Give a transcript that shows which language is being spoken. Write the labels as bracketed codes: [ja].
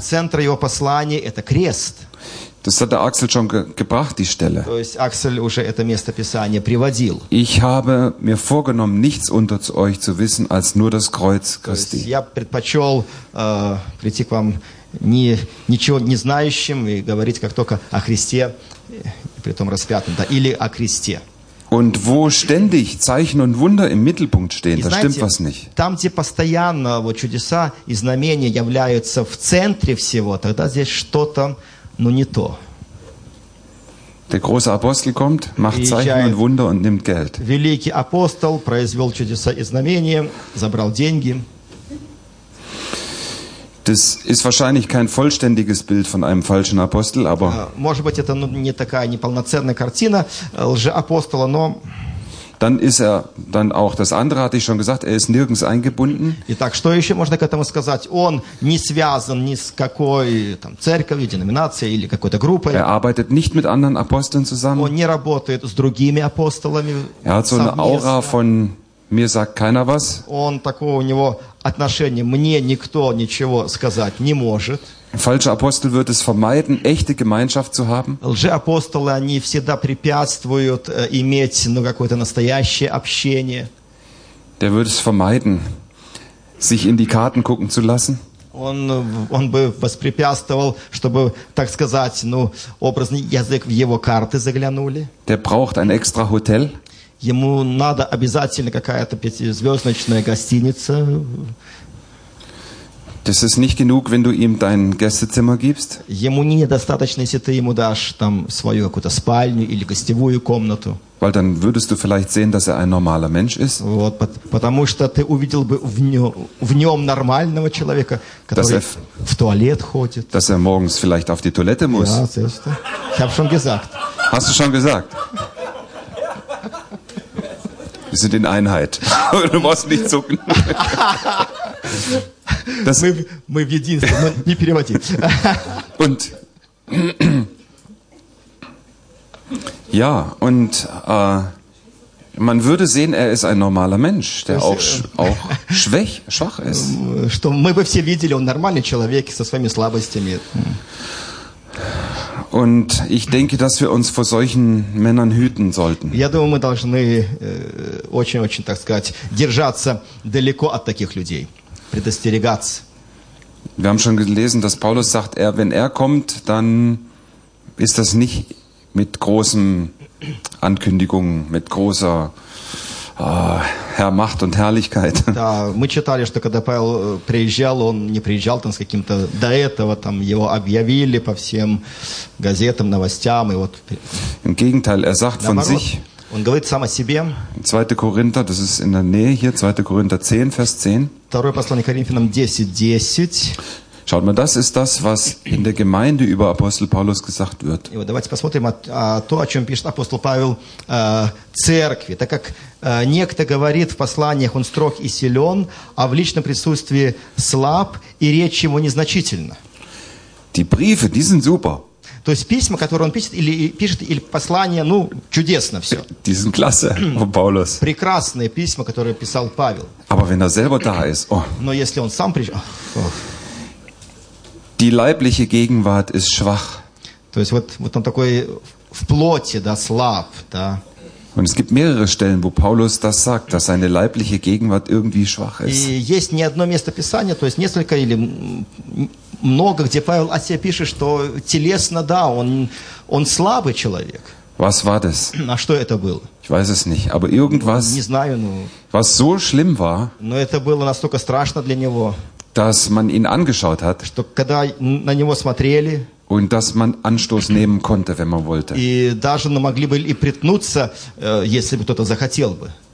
[ru] Центр его посланий – это крест. [de] Das hat der Axel schon gebracht, die Stelle. [ru] То есть Аксель уже это местописание приводил. [de] Ich habe mir vorgenommen, nichts unter euch zu wissen, als nur das Kreuz Christi. [ru] Я предпочел прийти к вам ничего не знающим и говорить как только о Христе, при том распятом, да, или о Христе. [de] Und wo ständig Zeichen und Wunder im Mittelpunkt stehen, [ru] знаете, [de] da stimmt was nicht. [ru] Там, где постоянно вот чудеса и знамения являются в центре всего, тогда здесь что-то но не то. [de] Der große Apostel kommt, macht Zeichen und Wunder und nimmt Geld. [ru] Великий апостол произвел чудеса и знамения, забрал деньги. [de] Das ist wahrscheinlich kein vollständiges Bild von einem falschen Apostel, aber [ru] может быть, это не такая неполноценная картина лжеапостола, но [de] dann ist er dann auch das andere hatte ich schon gesagt, er ist nirgends eingebunden. [ru] Итак, что еще можно к этому сказать? Он не связан ни с какой там церковью, деноминацией или какой-то группой. [de] Er arbeitet nicht mit anderen Aposteln zusammen. [ru] Он не работает с другими апостолами. [de] Er hat so eine Aura von Mir sagt keiner was. [ru] Он такого у него отношения. Мне никто ничего сказать не может. [de] Falsche Apostel wird es vermeiden, echte Gemeinschaft zu haben. [ru] Лжеапостолы, они всегда препятствуют иметь, ну, какое-то настоящее общение. [de] Der wird es vermeiden, sich in die Karten gucken zu lassen. [ru] Он бы воспрепятствовал, чтобы, так сказать, ну, образный язык в его карты заглянули. [de] Der braucht ein extra Hotel. [ru] Ему надо обязательно какая-то пятизвездочная гостиница. [de] Das ist nicht genug, wenn du ihm dein Gästezimmer gibst. [ru] Ему недостаточно, если ты ему дашь там свою какую-то спальню или гостевую комнату. [de] Weil dann würdest du vielleicht sehen, dass er ein normaler Mensch ist. [ru] Вот, потому что ты увидел бы в нем нормального человека, который в туалет ходит. [de] Dass er morgens vielleicht auf die Toilette muss. Ja, siehst du. Ich habe schon gesagt. Hast du schon gesagt? Wir sind in Einheit. Du musst nicht zucken. [ru] Das мы в единстве, но не переводи. [de] Und ja, und man würde sehen, er ist ein normaler Mensch, der auch schwach ist. [ru] Что мы бы все видели, он нормальный человек со своими слабостями. [de] Und ich denke, dass wir uns vor solchen Männern hüten sollten. [ru] Я думаю, мы должны очень-очень, так сказать, держаться далеко от таких людей. Предостерегаться. [de] Wir haben schon gelesen, dass Paulus sagt, wenn er kommt, dann ist das nicht mit großen Ankündigungen, mit großer Herr Macht und Herrlichkeit. [ru] Да, мы читали, что когда Павел приезжал, он не приезжал там с каким-то до этого, там его объявили по всем газетам, новостям, и вот. [de] Im Gegenteil, er sagt von sich. [ru] Он говорит сам о себе. [de] 2. Korinther, das ist in der Nähe hier, 2. Korinther 10, Vers 10. [ru] Второе послание Коринфянам 10:10. Schaut mal, das ist das, was in der Gemeinde über Apostel Paulus gesagt wird. И вот давайте посмотрим то, о чем пишет апостол Павел церкви. Так как некто говорит в посланиях, он строг и силен, а в личном присутствии слаб, и речь его незначительна. [de] Die Briefe, die sind super. [ru] То есть письма, которые он пишет или послания, ну, чудесно все. [de] Die sind klasse, Paulus. [ru] Прекрасные письма, которые писал Павел. [de] Aber wenn er selber da ist, oh. [ru] Но если он сам пришел... [de] Die leibliche Gegenwart ist schwach. [ru] То есть вот он такой в плоти, да, слаб, да. [de] Und es gibt mehrere Stellen, wo Paulus das sagt, dass seine leibliche Gegenwart irgendwie schwach ist. [ru] И есть не одно место писания, то есть несколько или много, где Павел о себе пишет, что телесно, да, он слабый человек. [de] Was war das? [ru] А что это было? [de] Ich weiß es nicht, aber irgendwas, [ru] не знаю, но... [de] was so schlimm war, [ru] но это было настолько страшно для него, [de] dass man ihn angeschaut hat, [ru] что когда на него смотрели, [de] und dass man Anstoß nehmen konnte, wenn man wollte. [ru] И даже могли бы и притнуться, если бы кто-то захотел бы.